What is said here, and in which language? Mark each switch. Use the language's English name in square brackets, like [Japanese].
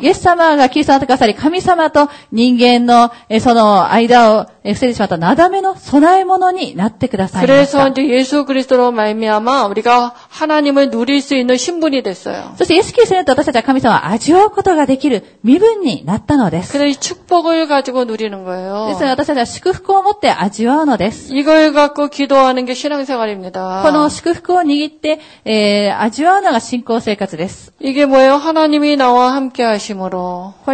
[Japanese] 예수様がキリストになってくださり神様と人間のその間を防いでしまったなだめの備え物になってくださいました [Korean] 그래서이제예수그리스도로말미암아우리가하나님을누릴수있는신분이됐어요 [Japanese] そしてイエスキリストによって私たちは神様を味わうことができる身分になったのです [Korean] 그래서축복을가지고누리는거예요 [Japanese] ですから私たちは祝福を持って味わうのです [Korean] 이걸갖고기도하는게신앙생활입니다 [Japanese] この祝福を握って、味わうのが信仰生活です [Korean] 이게뭐예요하나님이나와함께하심으로